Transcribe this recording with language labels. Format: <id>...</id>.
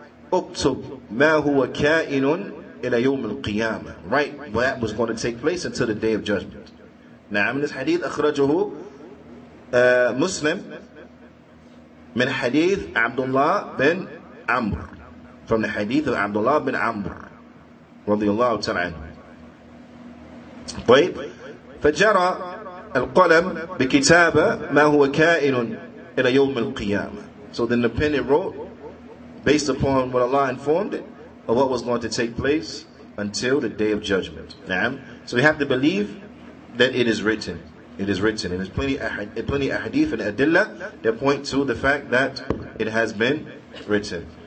<ar>اكتب ما هو كائن إلى يوم القيامة.</ar> <en>Right, well, that was going to take place until the day of judgment.</en> <ar>نعم,</ar> <en>this hadith</en> <ar>أخرجه مسلم من حديث عبد الله بن عمرو.</ar> <en>From the hadith of Abdullah bin Amr</en> <ar>رضي الله تعالى عنه. طيب, فجرى القلم بكتابة ما هو كائن إلى يوم القيامة.</ar> <en>So then the pen it wrote, based upon what Allah informed it, of what was going to take place until the day of judgment. Naam. So we have to believe that it is written. It is written. And there's plenty of hadith and adillah that point to the fact that it has been written.</en>